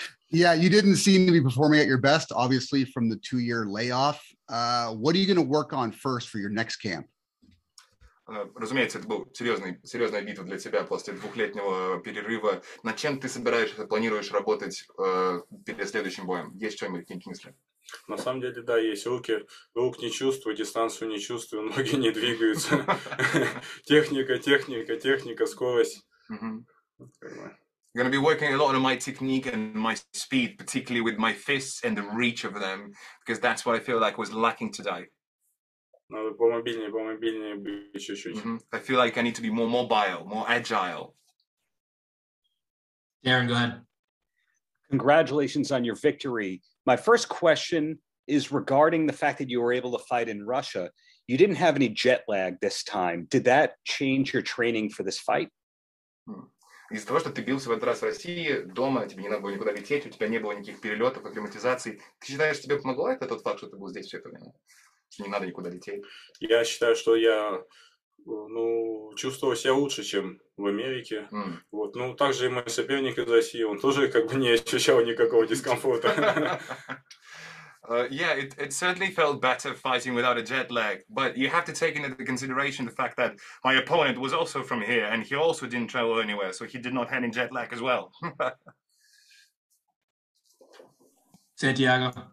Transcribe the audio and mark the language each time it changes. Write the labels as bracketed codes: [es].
[en] Yeah, you didn't seem to be performing at your best, obviously, from the 2-year layoff. What are you going to work on first for your next camp? [ru] Разумеется, это был серьезная битва для тебя после 2-летнего перерыва. Над чем ты собираешься, планируешь работать перед следующим боем? Есть что-нибудь, какие-нибудь мысли? На самом деле, да, есть руки. Рук не чувствую, дистанцию не чувствую, ноги не двигаются. Техника, скорость. [en] Going to be working a lot on my technique and my speed, particularly with my fists and the reach of them, because that's what I feel like was lacking today. [ru] Надо помобильнее быть чуть-чуть. [en] I feel like I need to be more mobile, more agile. Darren, go ahead. Congratulations on your victory. My first question is regarding the fact that you were able to fight in Russia. You didn't have any jet lag this time. Did that change your training for this fight? [ru] Из-за того, что ты бился в этот раз в России, дома, тебе не надо было никуда лететь, у тебя не было никаких перелетов, акклиматизации. Ты считаешь, тебе помогло это тот факт, что ты был здесь все это время? Что не надо никуда лететь? Я считаю, что я чувствовал себя лучше, чем в Америке. Вот. Ну, также и мой соперник из России, он тоже как бы не ощущал никакого дискомфорта. [en] Yeah, it certainly felt better fighting without a jet lag, but you have to take into consideration the fact that my opponent was also from here, and he also didn't travel anywhere, so he did not have any jet lag as well. Santiago.